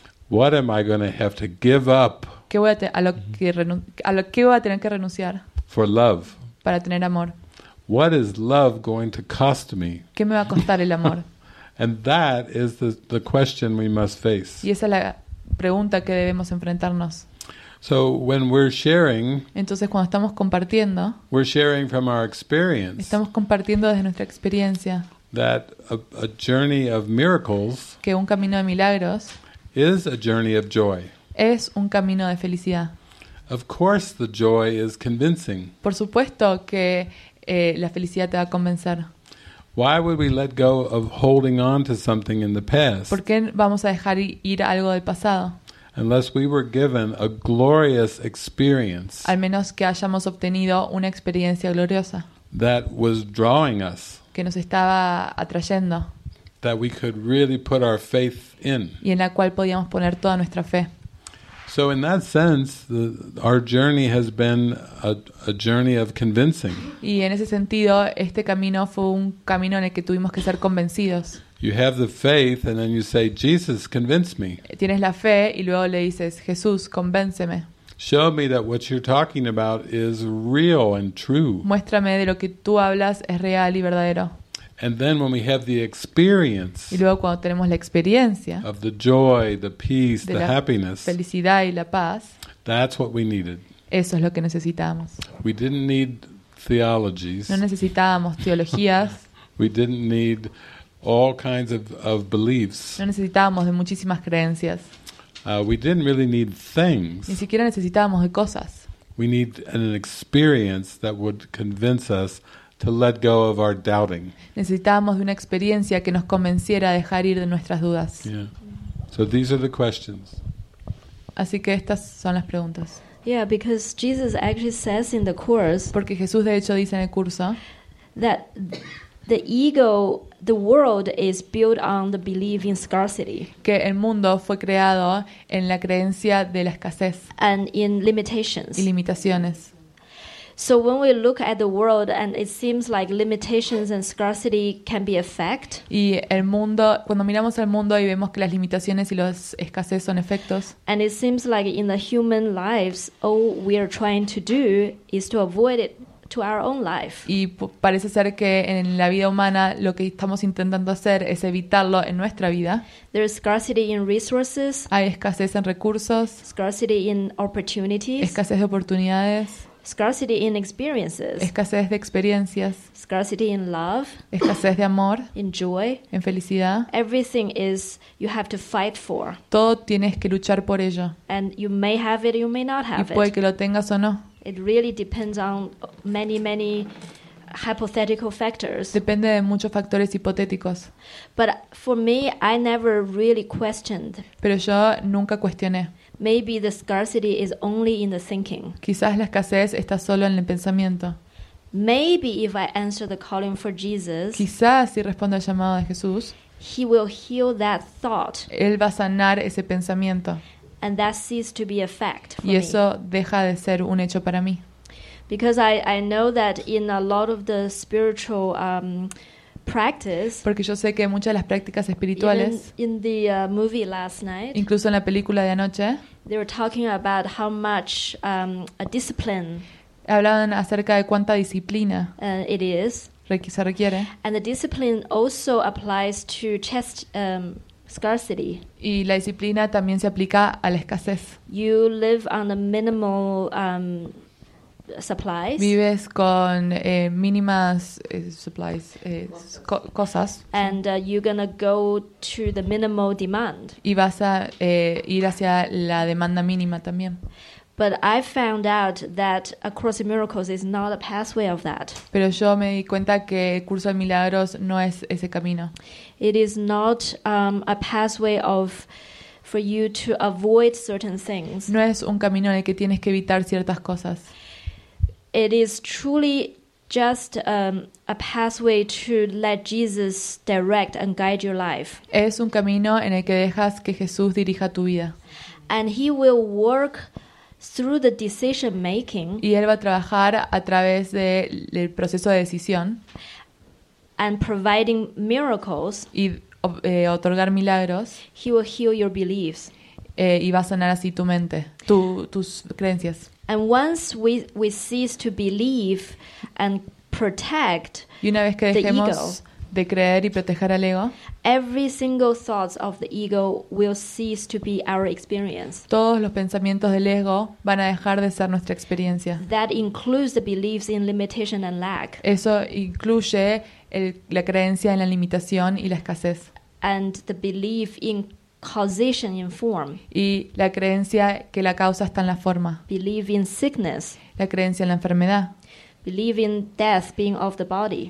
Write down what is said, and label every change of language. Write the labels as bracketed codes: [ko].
[en] What am I going to have to give up? [es] ¿A lo que voy a tener que renunciar? [en] For love. [es] Para tener amor. [en] What is love going to cost me? [es] ¿Qué me va a costar el amor? [en] And that is the question we must face. [es] Y esa es la pregunta que debemos enfrentarnos. [en] So when we're sharing, [es] entonces cuando estamos compartiendo, [en] we're sharing from our experience. [es] Estamos compartiendo desde nuestra experiencia. [en] That a journey of miracles, [es] que un camino de milagros, [en] is a journey of joy. [es] Es un camino de felicidad. [en] Of course, the joy is convincing. [es] Por supuesto que la felicidad te va a convencer. [en] Why would we let go of holding on to something in the past? [es] ¿Por qué vamos a dejar ir algo del pasado? [en] Unless we were given a glorious experience. [es] Al menos que hayamos obtenido una experiencia gloriosa. [en] That was drawing us. [es] Que nos estaba atrayendo. [en] That we could really put our faith in. [es] Y en la cual podíamos poner toda nuestra fe. [en] So in that sense, our journey has been a journey of convincing. [es] Y en ese sentido, este camino fue un camino en el que tuvimos que ser convencidos. [en] You have the faith and then you say, Jesus, convince me. [es] Tienes la fe y luego le dices, Jesús, convénceme. [en] Show me that what you're talking about is real and true. [es] Muéstrame de lo que tú hablas es real y verdadero. [en] And then when we have the experience. [es] Y luego cuando tenemos la experiencia. [en] Of the joy, the peace, the happiness. [es] De la felicidad y la paz. [en] That's what we needed. [es] Eso es lo que necesitamos. [en] We didn't need theologies. [es] No necesitábamos teologías. [en] We didn't need all kinds of beliefs. [es] No necesitábamos de muchísimas creencias. [en] We didn't really need things. [es] Ni siquiera necesitábamos de cosas. [en] We need an experience that would convince us to let go of our doubting. [es] Necesitábamos de una experiencia que nos convenciera a dejar ir de nuestras dudas. [en] Yeah. So these are the questions. [es] Así que estas son las preguntas. [en] Yeah, because Jesus actually says in the course. [es] Porque Jesús de hecho dice en el curso [en] that the ego, the world is built on the belief in scarcity. [es] Que el mundo fue creado en la creencia de la escasez. [en] And in limitations. [es] Y limitaciones. [en] So when we look at the world and it seems like limitations and scarcity can be a fact. [es] Y el mundo, cuando miramos al mundo y vemos que las limitaciones y las escasez son efectos. [en] And it seems like in the human lives, all we are trying to do is to avoid it. To our own life. [es] Y parece ser que en la vida humana lo que estamos intentando hacer es evitarlo en nuestra vida. [en] There is scarcity in resources. [es] Hay escasez en recursos. [en] Scarcity in opportunities. [es] Escasez de oportunidades. [en] Scarcity in experiences. [es] Escasez de experiencias. [en] Scarcity in love. [es] Escasez de amor. [en] In joy. [es] En felicidad. [en] Everything is you have to fight for. [es] Todo tienes que luchar por ello. [en] And you may have it, you may not have it. [es] Y puede que lo tengas o no. [en] It really depends on many, many hypothetical factors. [es] Depende de muchos factores hipotéticos. [en] But for me, I never really questioned. [es] Pero yo nunca cuestioné. [en] Maybe the scarcity is only in the thinking. [es] Quizás la escasez está solo en el pensamiento. [en] Maybe if I answer the calling for Jesus. [es] Quizás si respondo al llamado de Jesús. [en] He will heal that thought. [es] Él va a sanar ese pensamiento. [en] And that ceases to be a fact for me. [es] Y eso deja de ser un hecho para mí. [en] Because I know that in a lot of the spiritual practice. [es] Porque yo sé que muchas de las prácticas espirituales. [en] In the movie last night. [es] Incluso en la película de anoche. [en] They were talking about how much a discipline. [es] Hablaban acerca de cuánta disciplina. [en] It is. [es] Se requiere. [en] And the discipline also applies to chest. Scarcity. [es] Y la disciplina también se aplica a la escasez. [en] You live on the minimal supplies. [es] Vives con mínimas supplies, cosas. [en] And you're gonna go to the minimal demand. [es] Y vas a ir hacia la demanda mínima también. [en] But I found out that A Course in Miracles is not a pathway of that. [es] Pero yo me di cuenta que el curso de milagros no es ese camino. [en] It is not a pathway of for you to avoid certain things. [es] No es un camino en el que tienes que evitar ciertas cosas. [en] It is truly just a pathway to let Jesus direct and guide your life. [es] Es un camino en el que dejas que Jesús dirija tu vida. [en] And he will work through the decision making. [es] Y él va a trabajar a través del proceso de decisión. [en] And providing miracles. [es] Y otorgar milagros. [en] He will heal your beliefs. [es] Y va a sanar así tu mente, tus creencias. [en] And once we cease to believe and protect. [es] Y una vez que dejemos de creer y proteger al ego. [en] Every single thoughts of the ego will cease to be our experience. [es] Todos los pensamientos del ego van a dejar de ser nuestra experiencia. [en] That includes the beliefs in limitation and lack. [es] Eso incluye la creencia en la limitación y la escasez. [en] And the belief in causation in form. [es] Y la creencia que la causa está en la forma. [en] Believe in sickness. [es] La creencia en la enfermedad. [en] Believe in death being of the body.